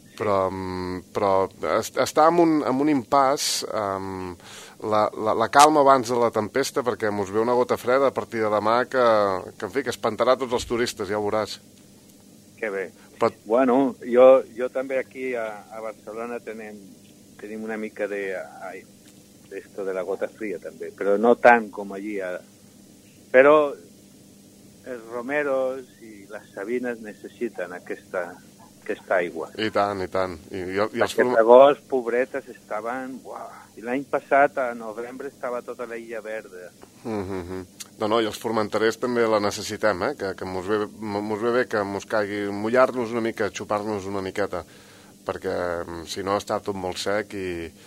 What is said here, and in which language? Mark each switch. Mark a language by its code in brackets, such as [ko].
[ca] però està en un impàs, la calma abans de la tempesta, perquè mos ve una gota freda a partir de demà que en fi, que espantarà tots els turistes, ja ho veuràs. Que bé. Però... Bueno, jo també aquí a Barcelona tenim una mica de... [es] esto de la gota fría también, pero no tan como allí. Pero los romeros y las sabinas necesitan [ca] aquesta aigua. I tant, i tant. I els aquest agost, pobretes, estaven... Uau. I l'any passat, a novembre, estava tota l'illa verda. No, i els formenterers també la necessitem, eh? Que mos ve bé que mos caigui mullar-nos una mica, xupar-nos una miqueta, perquè si no està tot molt sec i...